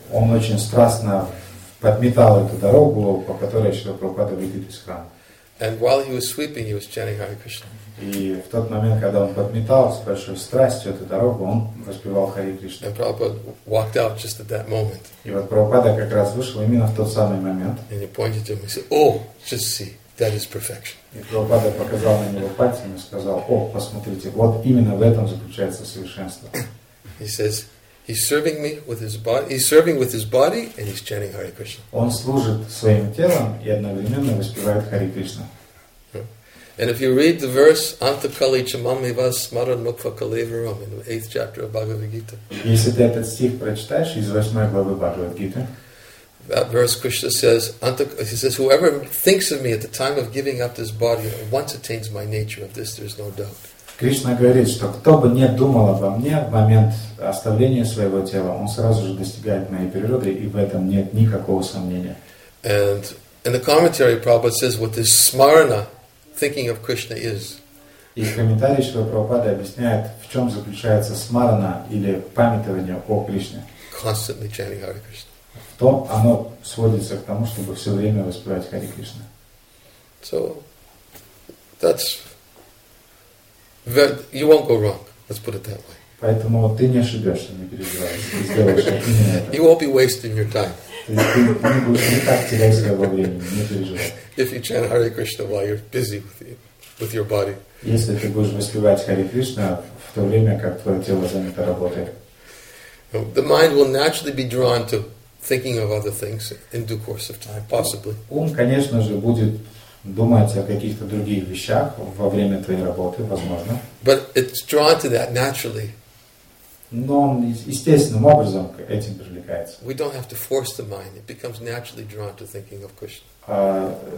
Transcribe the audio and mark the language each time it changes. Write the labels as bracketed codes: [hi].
[ru] Он очень страстно подметал эту дорогу, по которой Шрила Прабхупада выйдет из храма. [en] And while he was sweeping, he was chanting Hare Krishna. [ru] И в тот момент, когда он подметал с большой страстью эту дорогу, он воспевал Хари Кришна. [en] And Prabhupada walked out just at that moment. [ru] И вот Прабхупада как раз вышел именно в тот самый момент. [en] And he pointed to him and said, "Oh, just see." That is perfection. [ru] И Прабхупада показал на него пальцем и сказал, о, посмотрите, вот именно в этом заключается совершенство. [en] He says, he's serving me with his body, he's serving with his body, and he's chanting Hare Krishna. [ru] Он служит своим телом и одновременно воспевает Хари Кришна. [en] And if you read the verse [sa] Antakali Chamamiva Smaran Mukha Kalevaram [en] in the 8th chapter of Bhagavad Gita. [ru] Если ты этот стих прочитаешь из 8 главы Бхагавад Гиты, [en] that verse Krishna says, he says, whoever thinks of me at the time of giving up this body once attains my nature, of this there is no doubt. [ru] Кришна говорит, что кто бы не думал обо мне в момент оставления своего тела, он сразу же достигает моей природы, и в этом нет никакого сомнения. [en] And in the commentary, Prabhupada says what this smarana, thinking of Krishna, is. [ru] И в комментарии Шрила Прабхупада объясняет, в чем заключается смарана или памятование о Кришне. [en] Constantly chanting Hare Krishna. [ru] то оно сводится к тому, чтобы все время воспевать Хари Кришна. [en] So that's that you won't go wrong. Let's put it that way. [ru] Поэтому ты не ошибешься, не переживай, сделаешь. [en] You won't be wasting your time. [ru] Ты не будешь никак терять свое время, не переживай. [en] If you chant Hare Krishna while you're busy with your body. [ru] Если ты будешь воспевать Хари Кришна в то время, как твое тело занято работой. [en] The mind will naturally be drawn to thinking of other things in due course of time, possibly. [ru] Ум, конечно же, будет думать о каких-то других вещах во время твоей работы, возможно. [en] But it's drawn to that naturally. [ru] Но он естественным образом к этим привлекается. [en] We don't have to force the mind; it becomes naturally drawn to thinking of Krishna.